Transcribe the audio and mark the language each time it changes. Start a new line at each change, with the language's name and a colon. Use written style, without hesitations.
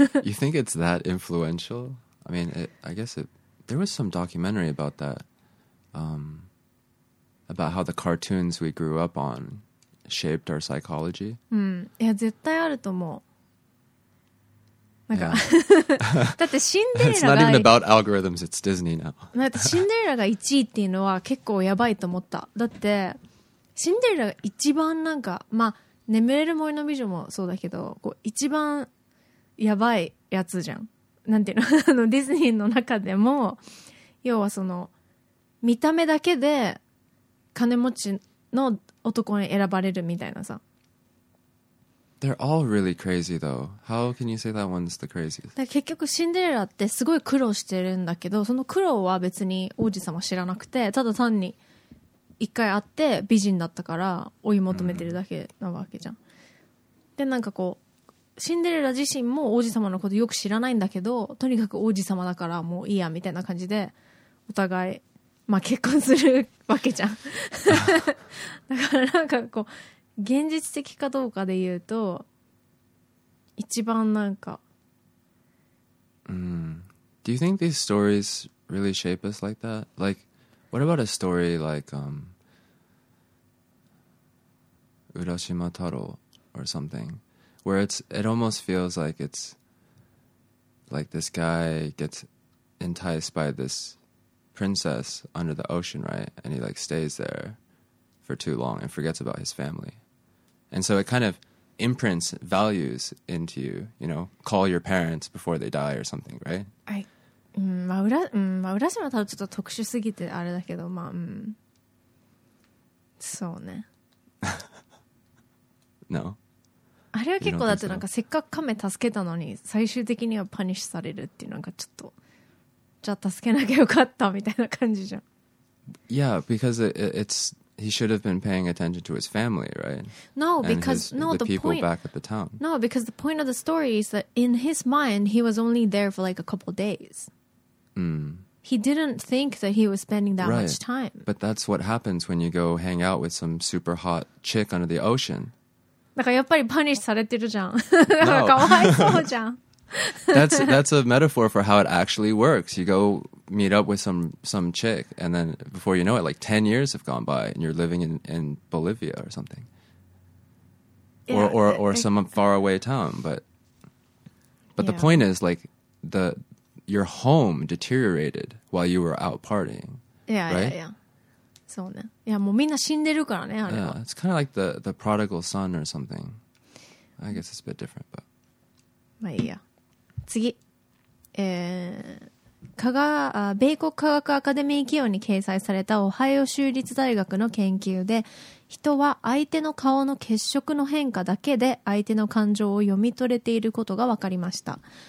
English: You think it's that influential? I mean, there was some documentary about that, about how the cartoons we grew up on shaped our psychology.
Japanese: いや絶対あると思う。だってシンデレラが
English: It's not even about algorithms, it's Disney now.
Japanese: だってシンデレラが1位っていうのは結構やばいと思った。だってシンデレラが一番なんか、まあ眠れる森の美女もそうだけど、こう一番やばいやつじゃん。なんていうの、あのディズニーの中でも、要はその見た目だけで金持ちの男に選ばれるみたいなさ。
English: They're all really crazy though. How can you say that one's the craziest?
Japanese: 結局シンデレラってすごい苦労してるんだけど、その苦労は別に王子様知らなくて、ただ単に一回会って美人だったから追い求めてるだけなわけじゃん。でなんかこうシンデレラ自身も王子様のことよく知らないんだけど、とにかく王子様だからもういいやみたいな感じでお互い、まあ、結婚するわけじゃん。だからなんかこう現実的かどうかで言うと一番なんか、
English: Do you think these stories really shape us like that? Like, what about a story like, 浦島太郎 or something, where it almost feels like it's like this guy gets enticed by this princess under the ocean, right? And he like stays there for too long and forgets about his family. And so it kind of imprints values into you, you know, call your parents before they die or something, right?
Japanese: まあ、浦島太郎ちょっと特殊すぎてあれだけど、まあ、そうね。
English: No?
Japanese: あれは結構だってなんかせっかく亀助けたのに最終的にはパニッシュされるっていうのがちょっと、じゃあ助けなきゃよかったみたいな感じじゃん。
English: Yeah, because it's... He should have been paying attention to his family, right? No, because the point of the story is that in his mind, he was only there for like a couple of days. He didn't think that he was spending that much time. But that's what happens when you go hang out with some super hot chick under the ocean.
Japanese: だからやっぱり punish されてるじゃん。かわいそうじゃん。
English: That's a metaphor for how it actually works. You go meet up with some chick, and then before you know it, like 10 years have gone by, and you're living in Bolivia or something, yeah, or some faraway town. But the point is, like, your home deteriorated while you were out partying. Yeah, right?
Japanese: そうね。いやもうみんな死んでるからね、あれは。
English: Yeah, it's kind of like the prodigal son or something. I guess it's a bit different, but.
Japanese: まあいいや。次、米国科学アカデミー企業に掲載されたオハイオ州立大学の研究で、人は相手の顔の血色の変化だけで相手の感情を読み取れていることが分かりました。